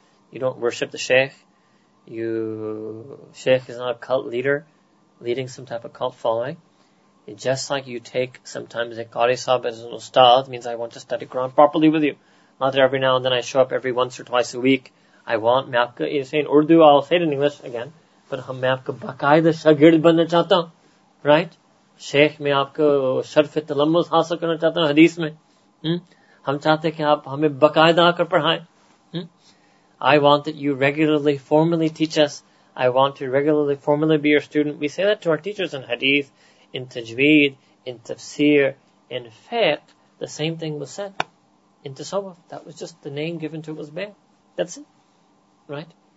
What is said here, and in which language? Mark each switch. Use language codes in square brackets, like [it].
[en] You don't worship the sheikh. Sheikh is not a cult leader, leading some type of cult following. It's just like you take sometimes a qari sahib as an ustad, means I want to study Quran properly with you. Not that every now and then I show up every once or twice a week. I want mapka, you say in Urdu, I'll say it in English again, but [ur] hum mapka bakai the shagird banna chata, [en] right? [ur] شیخ میں آپکا شرف تلمذ حاصل کرنا چاہتا حدیث میں. ہم چاہتے کی آپ ہمیں باقاعدہ آکر پڑھائے. [en] I want that you regularly, formally teach us. I want to regularly, formally be your student. We say that to our teachers in hadith, in tajweed, in tafsir, in fiqh. The same thing was said in tasawwuf. That was just the name given to it was bay'ah. That's it. Right?